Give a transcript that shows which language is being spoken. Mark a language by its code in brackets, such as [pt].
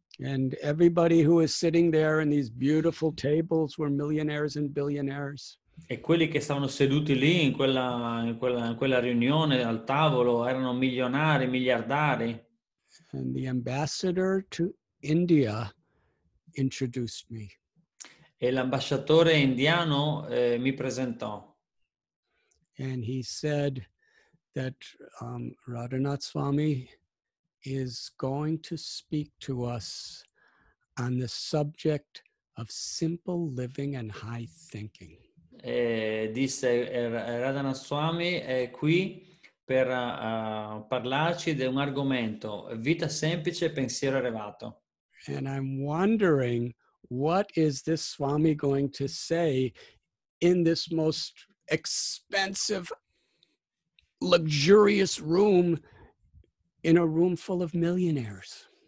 [en] And everybody who was sitting there in these beautiful tables were millionaires and billionaires. [it] E quelli che stavano seduti lì in quella riunione al tavolo erano milionari, miliardari. [en] And the ambassador to India introduced me. [it] E l'ambasciatore indiano mi presentò. [en] And he said that Radhanath Swami is going to speak to us on the subject of simple living and high thinking. [it] Disse Radhanath Swami è qui per parlarci di un argomento, vita semplice e pensiero elevato. [en] And I'm wondering what is this Swami going to say in this most expensive, luxurious room in a room full of millionaires.